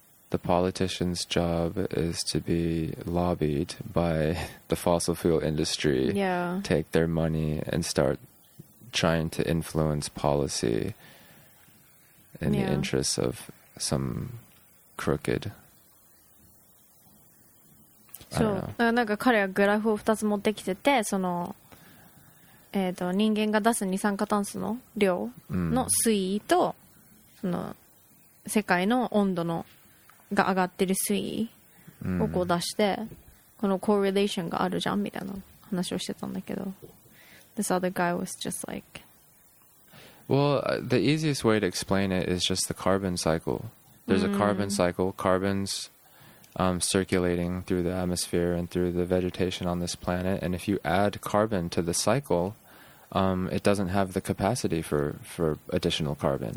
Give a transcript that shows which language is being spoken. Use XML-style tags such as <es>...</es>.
<en>The politician's job is to be lobbied by the fossil fuel industry. Yeah. Take their money and start... trying to influence policy in the interests of some crooked.</en> <ja>そう、なんか彼はグラフを2つ持ってきてて、その、人間が出す二酸化炭素の量の推移と、その世界の温度のが上がってる推移をこう出して、このコーレレーションがあるじゃんみたいな話をしてたんだけど。</ja> <en>This other guy was just like... Well, the easiest way to explain it is just the carbon cycle. There's a carbon cycle. Carbon's circulating through the atmosphere and through the vegetation on this planet. And if you add carbon to the cycle, it doesn't have the capacity for additional carbon.</en>